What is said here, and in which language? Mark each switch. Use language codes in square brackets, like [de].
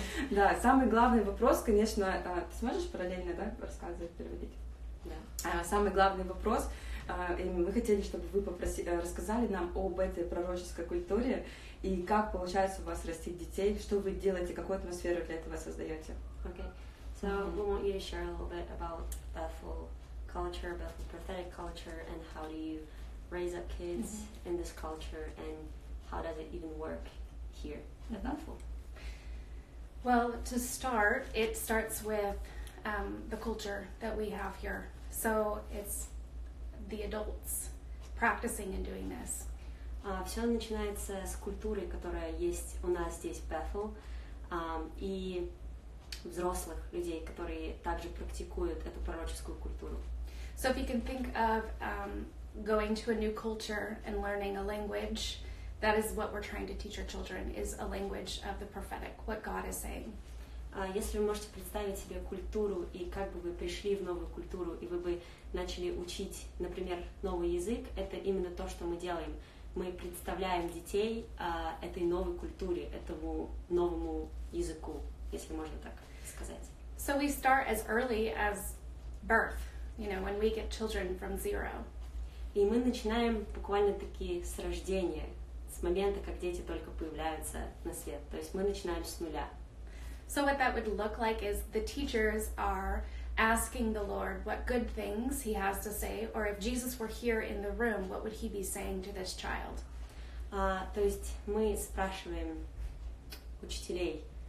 [ru] Да, самый главный вопрос, конечно, ты сможешь параллельно, да, рассказывать, переводить? Да. Самый главный вопрос, Эми, мы хотели, чтобы вы рассказали нам об этой пророческой культуре и как получается у вас растить детей, что вы делаете, какую атмосферу для этого создаете. [en] We want you to share a little bit about Bethel culture, Bethel prophetic culture, and how do you raise up kids in this culture, and how does it even work here? Well, to start, it starts with the culture that we have here. So it's the adults practicing and doing this. [ru] Все начинается с культуры, которая есть у нас здесь в Bethel, и взрослых людей, которые также практикуют эту пророческую культуру. [en] So if you can think of going to a new culture and learning a language, that is what we're trying to teach our children, is a language of the prophetic, what God is saying. [ru] Если вы можете представить себе культуру, и как бы вы пришли в новую культуру, и вы бы начали учить, например, новый язык, это именно то, что мы делаем. Мы представляем детей этой новой культуре, этому новому языку, если можно так сказать. [en] So we start as early as birth, you know, when we get children from zero. [ru] И мы начинаем буквально-таки с рождения, с момента, как дети только появляются на свет. То есть мы начинаем с нуля. [en] So what that would look like is the teachers are asking the Lord what good things he has to say, or if Jesus were here in the room, what would he be saying to this child? [ru] То есть мы спрашиваем учителей...